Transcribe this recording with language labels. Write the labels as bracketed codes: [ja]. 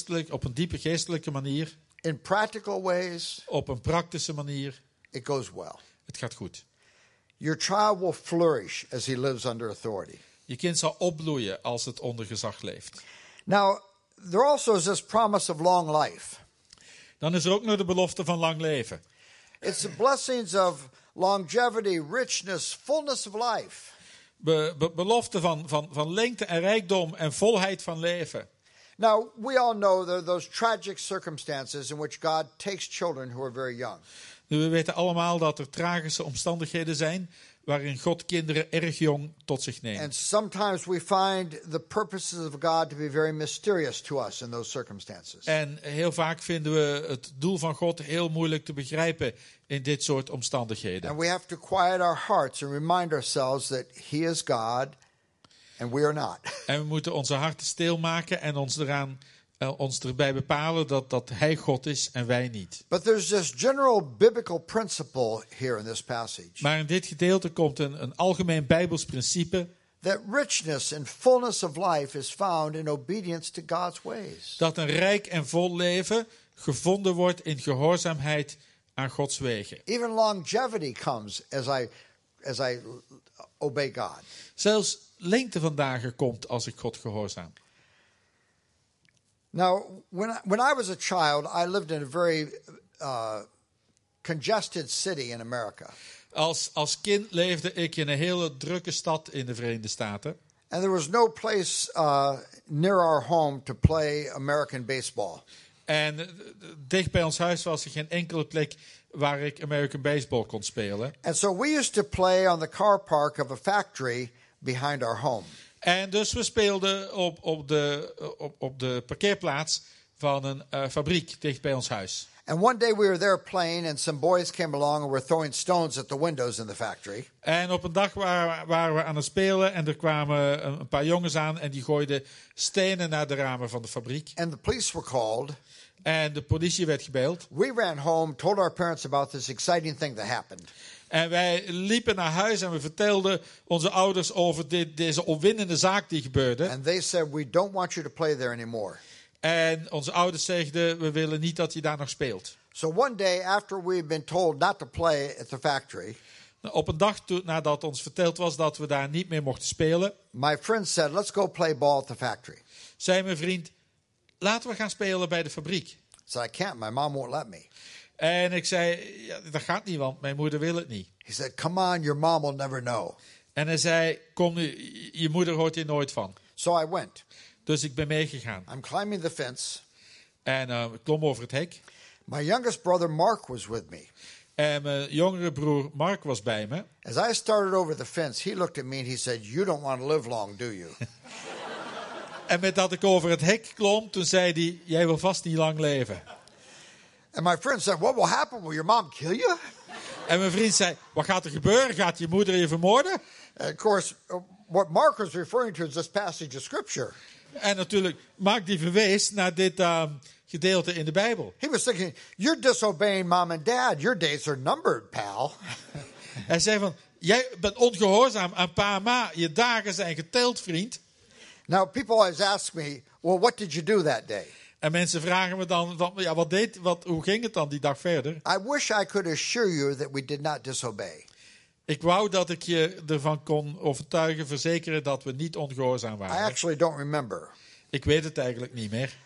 [nl] Op een diepe geestelijke manier. [en] In practical ways. [nl] Op een praktische manier. [en] It goes well. [nl] Het gaat goed. [en] Your child will flourish as he lives under authority. [nl] Je kind zal opbloeien als het onder gezag leeft. [en] Now, there also is this promise of long life. [nl] Dan is er ook nog de belofte van lang leven. [en] It's the blessings of longevity, richness, fullness of life. [nl] Belofte van lengte en rijkdom en volheid van leven. [en] Now we all know those tragic circumstances in which God takes children who are very young. [nl] Nu, we weten allemaal dat er tragische omstandigheden zijn waarin God kinderen erg jong tot zich neemt. [en] And sometimes we find the purposes of God to be very mysterious to us in those circumstances. [nl] En heel vaak vinden we het doel van God heel moeilijk te begrijpen in dit soort omstandigheden. [en] And we have to quiet our hearts and remind ourselves that he is God and we are not. [nl] En we moeten onze harten stilmaken en ons erbij bepalen dat hij God is en wij niet. [en] But there's this general biblical principle here in this passage. [nl] Maar in dit gedeelte komt een algemeen Bijbels principe. [en] That richness and fullness of life is found in obedience to God's ways. [nl] Dat een rijk en vol leven gevonden wordt in gehoorzaamheid aan Gods wegen. [en] Even longevity comes as I obey God. [nl] Zelfs lengte van dagen komt als ik God gehoorzaam. [en] Now, when I was a child, I lived in a very congested city in America. [nl] Als kind leefde ik in een hele drukke stad in de Verenigde Staten. [en] And there was no place near our home to play American baseball. [nl] En dicht bij ons huis was er geen enkele plek waar ik American baseball kon spelen. [en] And so we used to play on the car park of a factory behind our home. [nl] En dus we speelden op de parkeerplaats van een fabriek dicht bij ons huis. [en] And one day we were there playing and some boys came along and were throwing stones at the windows in the factory. [nl] En op een dag waren we aan het spelen en er kwamen een paar jongens aan en die gooiden stenen naar de ramen van de fabriek. [en] And the police were called. [nl] En de politie werd gebeld. [en] We ran home, told our parents about this exciting thing that happened. [nl] En wij liepen naar huis en we vertelden onze ouders over deze opwindende zaak die gebeurde. [en] And they said, we don't want you to play there anymore. [nl] En onze ouders zeiden, we willen niet dat je daar nog speelt. [en] So one day after we've been told not to play at the factory. [nl] Op een dag nadat ons verteld was dat we daar niet meer mochten spelen. [en] My friend said, let's go play ball at the factory. [nl] Zei mijn vriend, laten we gaan spelen bij de fabriek. [en] So I can't, my mom won't let me. [nl] En ik zei, ja, dat gaat niet, want mijn moeder wil het niet. [en] He said, come on, your mom will never know. [nl] En hij zei, kom nu, je moeder hoort hier nooit van. [en] So I went. [nl] Dus ik ben meegegaan. [en] I'm climbing the fence. [nl] En ik klom over het hek. [en] My youngest brother Mark was with me. [nl] En mijn jongere broer Mark was bij me. [en] As I started over the fence, he looked at me and he said, you don't want to live long, do you? [nl] En met dat ik over het hek klom, toen zei hij, jij wil vast niet lang leven. [en] And my friend said, what will happen? Will your mom kill you? [nl] En mijn vriend zei, wat gaat er gebeuren? Gaat je moeder je vermoorden? [en] And of course, what Mark was referring to is this passage of scripture. [nl] En natuurlijk, Mark die verwees naar dit gedeelte in de Bijbel. [en] He was thinking, you're disobeying mom and dad. Your days are numbered, pal. [nl] Hij zei van, jij bent ongehoorzaam aan pa en ma. Je dagen zijn geteld, vriend. [en] Now, people always ask me, well, what did you do that day? [nl] En mensen vragen me dan, ja, hoe ging het dan die dag verder? [en] I wish I could assure you that we did not disobey. [nl] Ik wou dat ik je ervan kon overtuigen, verzekeren dat we niet ongehoorzaam waren. [en] I actually don't remember. [nl] Ik weet het eigenlijk niet meer.